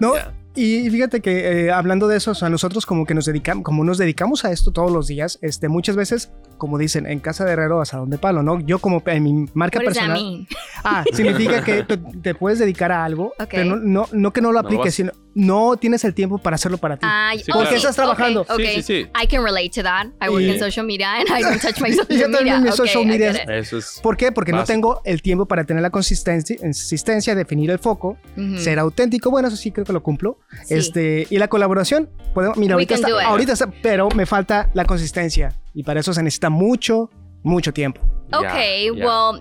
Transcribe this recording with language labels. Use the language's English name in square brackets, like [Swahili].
[Spanish] No, yeah. Y fíjate que hablando de eso, o sea, nosotros como que nos dedicamos a esto todos los días, muchas veces, como dicen, en casa de herrero, asadón de palo, ¿no? Yo como en mi marca personal. Significa que te puedes dedicar a algo, okay. Pero no que no lo apliques, sino... No tienes el tiempo para hacerlo para ti. Porque estás trabajando. Okay. Sí, sí, sí. [English] I can relate to that. I work in social media and I don't touch my social media. [Spanish] Yo también mis social media. Eso es. ¿Por qué? Porque básico. No tengo el tiempo para tener la consistencia, definir el foco, ser auténtico. Bueno, eso sí creo que lo cumplo. Sí. Y la colaboración, ahorita está, pero me falta la consistencia y para eso se necesita mucho, mucho tiempo. [English] Well,